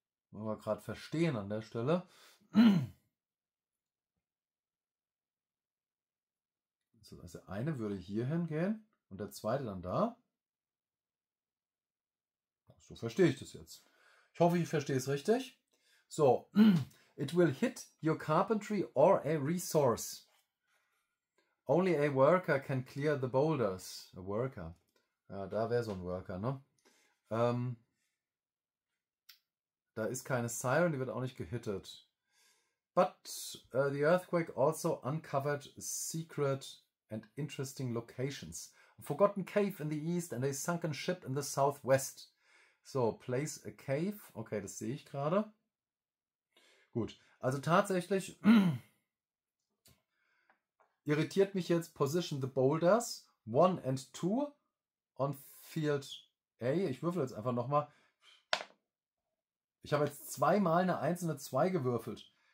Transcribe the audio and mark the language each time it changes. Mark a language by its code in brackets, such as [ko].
[de] Wollen wir gerade verstehen an der Stelle. Also, eine würde hier hingehen und der zweite dann da. So verstehe ich das jetzt. Ich hoffe, ich verstehe es richtig. [en] So, it will hit your carpentry or a resource. Only a worker can clear the boulders. A worker. [de] Ja, da wäre so ein Worker, ne? Da ist keine Siren, die wird auch nicht gehittet. [en] But the earthquake also uncovered secret and interesting locations. A forgotten cave in the east and a sunken ship in the southwest. So, place a cave. [de] Okay, das sehe ich gerade. Gut, also tatsächlich irritiert mich jetzt [en] position the boulders 1 and 2 on field A. [de] Ich würfel jetzt einfach nochmal. Ich habe jetzt zweimal eine 1 und eine 2 gewürfelt.